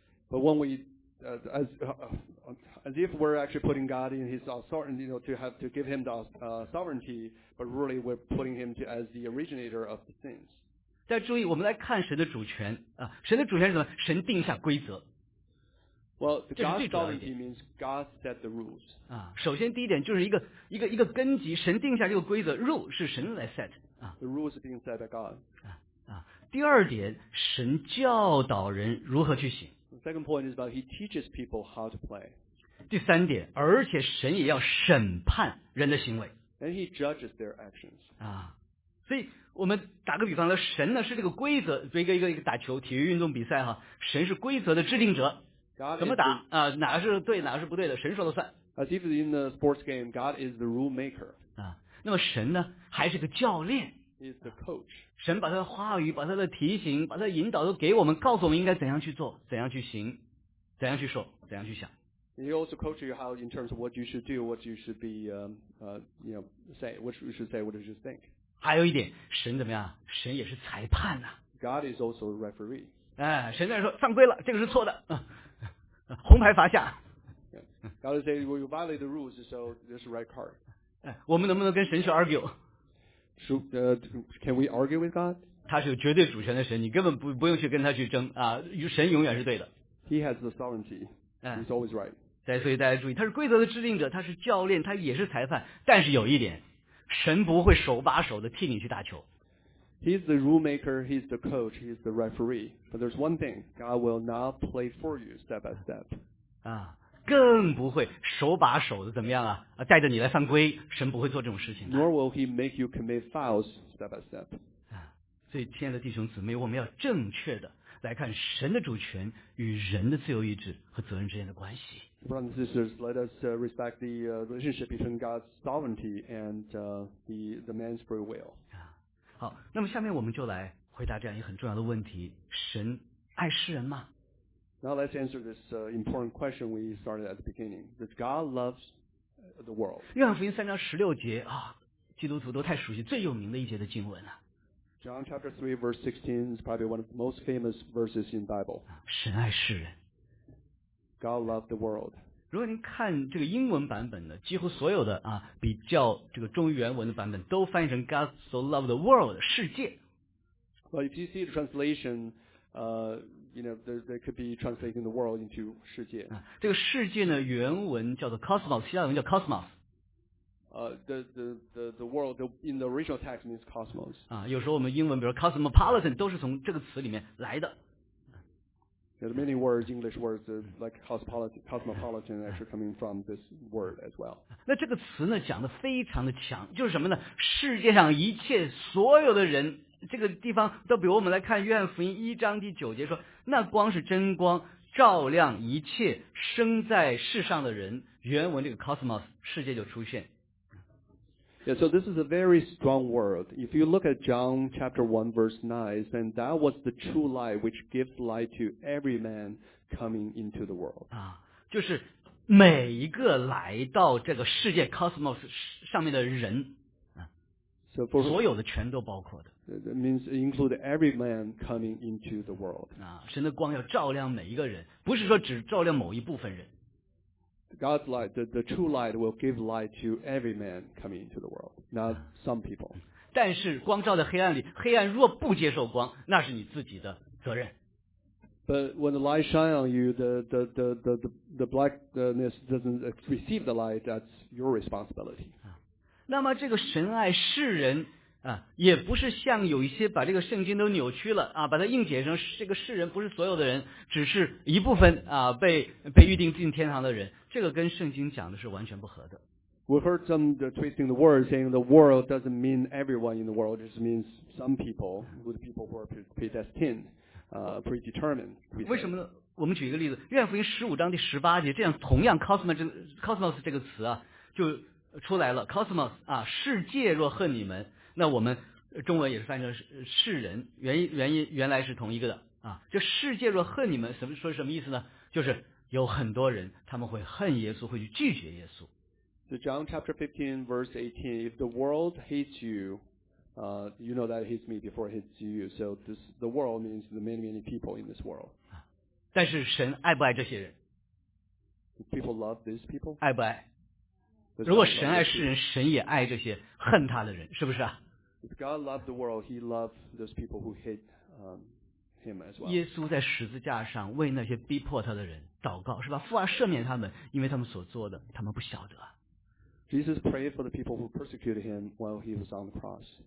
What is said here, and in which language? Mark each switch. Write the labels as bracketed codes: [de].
[en] But when we, as if we're actually putting God in his authority, you know, to give him the sovereignty, but really we're putting him to, as the originator of the sins. [zh] 大家注意，我们来看神的主权啊，神的主权是什么？神定下规则。 [en] Well, God's sovereignty means God set the rules. [zh] 啊，首先第一点就是一个根基，神定下这个规则 ，rule 是神来 set 啊。 [en] The rules being set by God. [zh] 啊，第二点，神教导人如何去行。 [en] The second point is about He teaches people how to play. [zh] 第三点，而且神也要审判人的行为。 [en] And He judges their actions. [zh] 啊，所以。我们打个比方说，神呢是这个规则，一个打球体育运动比赛哈，神是规则的制定者，怎么打啊，哪个是对，哪个是不对的，神说了算。 [en] As if in the sports game, God is the rule maker. [zh] 啊，那么神呢还是个教练 [en] ，is the coach. [zh] 神把他的话语、把他的提醒、把他的引导都给我们，告诉我们应该怎样去做、怎样去行、怎样去说、怎样去想。 [en] He also coaches you how in terms of what you should do, what you should be, you know, say, what you should say, what you should think. [zh] 还有一点，神怎么样？神也是裁判呐、 [en] 啊。God is also a referee. [zh] 哎，神在说犯规了，这个是错的，红牌罚下。 [en] God is saying, "Well, you violate the rules, so this is red card." [zh] 哎，我们能不能跟神去 argue? [en] Can we argue with God? [zh] 他是有绝对主权的神，你根本不用去跟他去争啊，神永远是对的。 [en] He has the sovereignty. He's always right. [zh] 对，所以大家注意，他是规则的制定者，他是教练，他也是裁判，但是有一点。神不会手把手的替你去打球。 [en] He's the rule maker, he's the coach, he's the referee. But there's one thing, God will not play for you step by step. [zh] 啊，更不会手把手的怎么样啊？带着你来犯规，神不会做这种事情的。 [en] Nor will he make you commit fouls step by step. [zh] 啊，所以亲爱的弟兄姊妹，我们要正确的来看神的主权与人的自由意志和责任之间的关系。 [en] Brothers and sisters, let us respect the relationship between God's sovereignty and the man's free will. [zh] 好，那么下面我们就来回答这样一个很重要的问题：神爱世人吗？ [en] Now let's answer this important question we started at the beginning. Does God love the world? [zh] 约翰福音三章十六节啊，基督徒都太熟悉最有名的一节的经文了。 [en] John chapter 3 verse 16 is probably one of the most famous verses in the Bible. [zh] 神爱世人。 [en] God loved the world. [zh] 如果您看这个英文版本的，几乎所有的啊比较这个中原文的版本都翻译成 [en] God so loved the world [zh] 世界。 [en] Well, if you see the translation, you know they could be translating the world into 世界。 [zh] 啊，这个世界呢，原文叫做 cosmos， 希腊文叫 cosmos。 [en] The world in the original text means cosmos. [zh] 啊，有时候我们英文比如 cosmopolitan 都是从这个词里面来的。 [en] There are many words, English words, like cosmopolitan, actually coming from this word as well. [zh] 那这个词呢，讲的非常的强，就是什么呢？世界上一切所有的人，这个地方都比我们来看约翰福音一章第九节说，那光是真光，照亮一切生在世上的人。原文这个 cosmos 世界就出现。 [en] Yeah, so this is a very strong word. If you look at John chapter 1 verse 9, then that was the true light which gives light to every man coming into the world. [zh] 就是每一个来到这个世界 cosmos 上面的人，所有的全都包括的。 [en] That means include every man coming into the world. [zh] 啊，神的光要照亮每一个人，不是说只照亮某一部分人。 [en] God's light, the true light will give light to every man coming into the world, not some people. [zh] 但是光照在黑暗里，黑暗若不接受光，那是你自己的责任。 [en] But when the light shines on you, the blackness doesn't receive the light, that's your responsibility. [zh] 那么这个神爱世人啊，也不是像有一些把这个圣经都扭曲了啊，把它硬解成这个世人不是所有的人，只是一部分啊被预定进天堂的人，这个跟圣经讲的是完全不合的。 [en] We've heard some twisting the words, saying the world doesn't mean everyone in the world, it just means some people, good people who are predestined, predetermined. [zh] 为什么呢？我们举一个例子，约翰福音十五章第十八节，这样同样 cosmos 这个词啊就出来了 ，cosmos 啊，世界若恨你们。那我们中文也是翻译成世人，原来是同一个的啊。就世界若恨你们，什么说什么意思呢？就是有很多人他们会恨耶稣，会去拒绝耶稣。 [en] So John chapter 15 verse 18, if the world hates you, you know that hates me before it hates you. So this the world means the many many people in this world. [zh] 但是神爱不爱这些人 [en] ？Do people love these people? [zh] 爱不爱？如果神爱世人，神也爱这些恨他的人，是不是啊？ [en] If God loved the world, He loved those people who hate Him as well. [zh] 耶稣在十字架上为那些逼迫他的人祷告，是吧？父啊，赦免他们，因为他们所做的，他们不晓得。 [en] Jesus prayed for the people who persecuted Him while He was on the cross.